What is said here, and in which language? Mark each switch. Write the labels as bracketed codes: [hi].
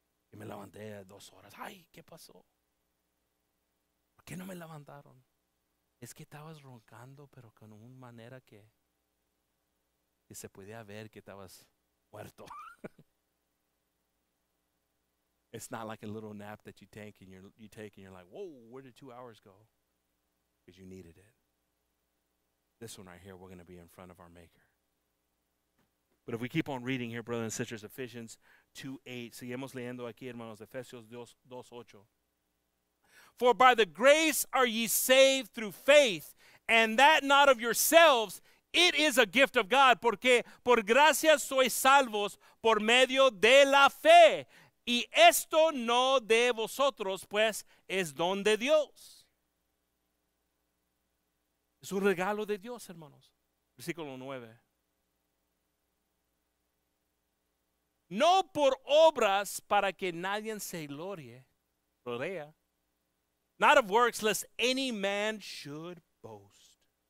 [es] Y me levanté 2 horas. ¡Ay! ¿Qué pasó? ¿Por qué no me levantaron? Es que estabas roncando, pero con una manera que se podía ver que estabas muerto. [en] It's not like a little nap that you take and you take and you're like, whoa, where did 2 hours go? Because you needed it. This one right here, we're going to be in front of our Maker. But if we keep on reading here, brothers and sisters, Ephesians 2:8. [es] Seguimos leyendo aquí, hermanos, Efesios 2:8. [en] For by the grace are ye saved through faith, and that not of yourselves, it is a gift of God. [es] Porque por gracia sois salvos por medio de la fe, y esto no de vosotros, pues es don de Dios. Es un regalo de Dios, hermanos. Versículo 9. No por obras para que nadie se glorie, rodea. [en] Not of works, lest any man should boast.